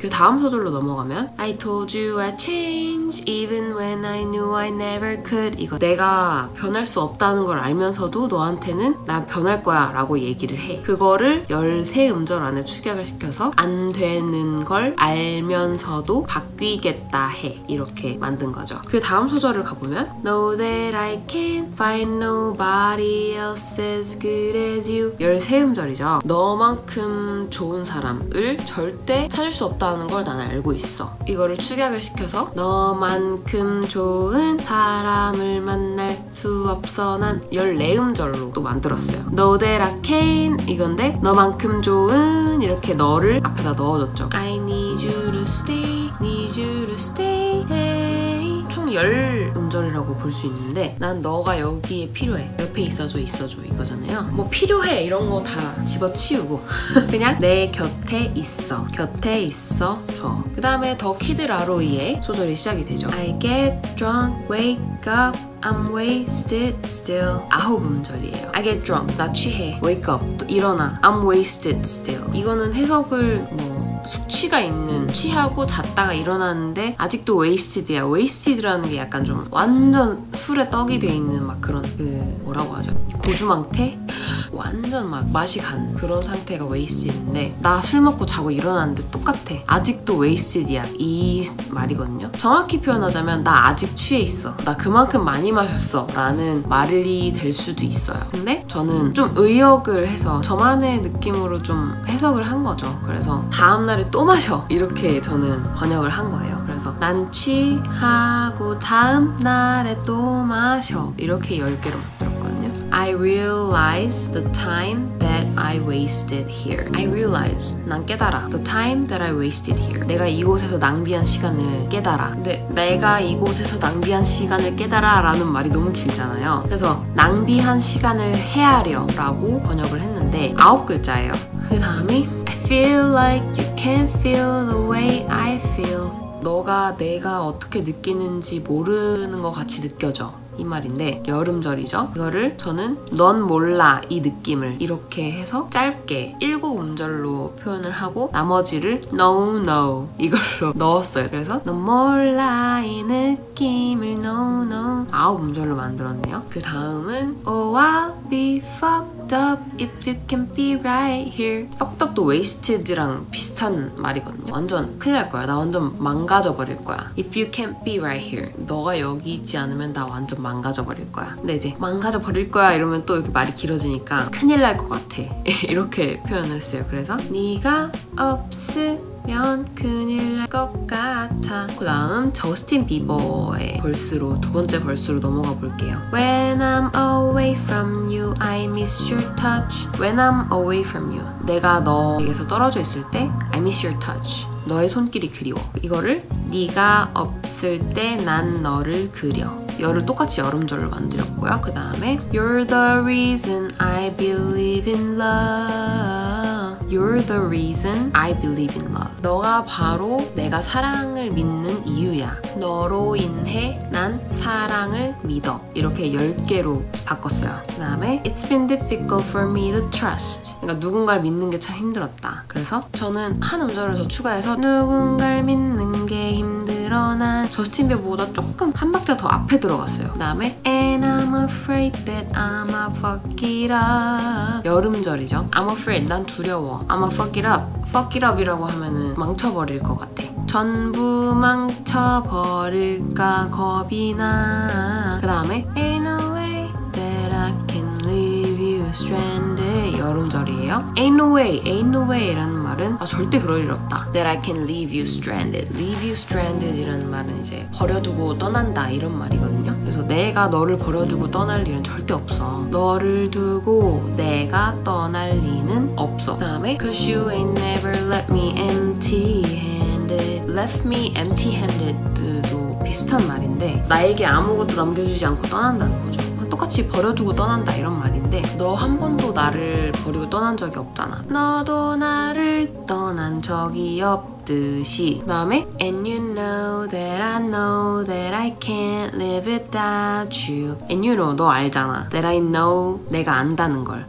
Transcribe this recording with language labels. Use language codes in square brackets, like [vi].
[ko] 그 다음 소절로 넘어가면 [en] I told you I'd change even when I knew I never could [ko] 이거 내가 변할 수 없다는 걸 알면서도 너한테는 나 변할 거야 라고 얘기를 해. 그거를 13음절 안에 축약을 시켜서 안 되는 걸 알면서도 바뀌겠다 해 이렇게 만든 거죠. 그 다음 소절을 가보면 [en] Know that I can't find nobody else as good as you [ko] 13음절이죠. 너만큼 좋은 사람 을 절대 찾을 수 없다는 걸 나는 알고 있어. 이거를 축약을 시켜서 너만큼 좋은 사람을 만날 수 없어 난 14음절로 또 만들었어요. [en] Know that I can [ko] 이건데 너만큼 좋은 이렇게 너를 앞에다 넣어줬죠. [en] I need you to stay, need you to stay hey. [ko] 총 10음절이라고 볼 수 있는데 난 너가 여기에 필요해. 옆에 있어줘 있어줘 이거잖아요. 뭐 필요해 이런 거 다 집어치우고 그냥 내 곁에 있어 곁에 있어 줘. 그 다음에 더 키드 라로이의 소절이 시작이 되죠. [en] I get drunk, wake up, I'm wasted still [ko] 9음절이에요. [en] I get drunk, [ko] 나 취해, [en] wake up, [ko] 일어나, [en] I'm wasted still [ko] 이거는 해석을 뭐 숙취가 있는 취하고 잤다가 일어났는데 아직도 웨이스티드야. 웨이스티드라는 게 약간 좀 완전 술에 떡이 돼 있는 막 그런 그 뭐라고 하죠? 고주망태? 완전 막 맛이 간 그런 상태가 웨이스티드인데 나 술 먹고 자고 일어났는데 똑같아. 아직도 웨이스티드야 이 말이거든요. 정확히 표현하자면 나 아직 취해 있어. 나 그만큼 많이 마셨어 라는 말이 될 수도 있어요. 근데 저는 좀 의역을 해서 저만의 느낌으로 좀 해석을 한 거죠. 그래서 다음 다음날에 또 마셔 이렇게 저는 번역을 한 거예요. 그래서 난 취하고 다음날에 또 마셔 이렇게 10개로 만들었거든요. [en] I realize the time that I wasted here. I realize [ko] 난 깨달아 [en] the time that I wasted here [ko] 내가 이곳에서 낭비한 시간을 깨달아. 근데 내가 이곳에서 낭비한 시간을 깨달아 라는 말이 너무 길잖아요. 그래서 낭비한 시간을 헤아려 라고 번역을 했는데 9글자예요 그 다음이 [en] feel like you can't feel the way I feel [ko] 너가 내가 어떻게 느끼는지 모르는 것 같이 느껴져 이 말인데 10음절이죠. 이거를 저는 넌 몰라 이 느낌을 이렇게 해서 짧게 7음절로 표현을 하고 나머지를 [en] no no [ko] 이걸로 넣었어요. 그래서 넌 몰라 이 느낌을 [en] no no [ko] 9음절로 만들었네요. 그 다음은 [en] Oh I'll be fucked fucked up if you can be right here. Fucked up [ko] 도 wasted랑 비슷한 말이거든요. 완전 큰일 날 거야. 나 완전 망가져버릴 거야. [en] If you can't be right here. [ko] 너가 여기 있지 않으면 나 완전 망가져버릴 거야. 근데 이제 망가져버릴 거야 이러면 또 이렇게 말이 길어지니까 큰일 날 것 같아. 이렇게 표현을 했어요. 그래서 네가 없으면 큰일 날 것 같아. 그 다음 저스틴 비버의 벌스로 두 번째 벌스로 넘어가 볼게요. [en] When I'm away from you, I miss your touch. When I'm away from you. [ko] 내가 너에게서 떨어져 있을 때 [en] I miss your touch. [ko] 너의 손길이 그리워. 이거를 네가 없을 때 난 너를 그려. 열을 똑같이 여름절을 만들었고요. [en] 그 다음에 You're the reason I believe in love. You're the reason I believe in love. [ko] 너가 바로 내가 사랑을 믿는 이유야. 너로 인해 난 사랑을 믿어. 이렇게 10개로 바꿨어요. [en] 그 다음에 It's been difficult for me to trust. [ko] 그러니까 누군가를 믿는 게 참 힘들었다. 그래서 저는 한 음절을 더 추가해서 누군가를 믿는 게 힘들어 난 저스틴 비버보다 조금 한 박자 더 앞에 들어갔어요. [en] 그 다음에 And I'm afraid that I'm a fuck it up. [ko] 여름절이죠. [en] I'm afraid. [ko] 난 두려워. [en] I'm a fuck it up. [ko] Fuck it up 이라고 하면은 망쳐버릴 것 같아. 전부 망쳐버릴까 겁이 나. [en] 그 다음에 Ain't no way that I can leave you stranded. [ko] 여름절이에요. [en] Ain't no way. Ain't no way [ko] 라는 말은 아 절대 그럴 일 없다. [en] That I can leave you stranded. Leave you stranded [ko] 이라는 말은 이제 버려두고 떠난다 이런 말이거든요. 그래서 내가 너를 버려두고 떠날 일은 절대 없어. 너를 두고 내가 떠날 리는 없어. [en] 그 다음에 Cause you ain't never let me empty. Left me empty-handed [ko] 도 비슷한 말인데 나에게 아무것도 남겨주지 않고 떠난다는 거죠. 똑같이 버려두고 떠난다 이런 말인데 너 한 번도 나를 버리고 떠난 적이 없잖아. 너도 나를 떠난 적이 없듯이. [en] 그 다음에 And you know that I can't live without you. And you know [ko] 너 알잖아. [en] That I know [ko] 내가 안다는 걸.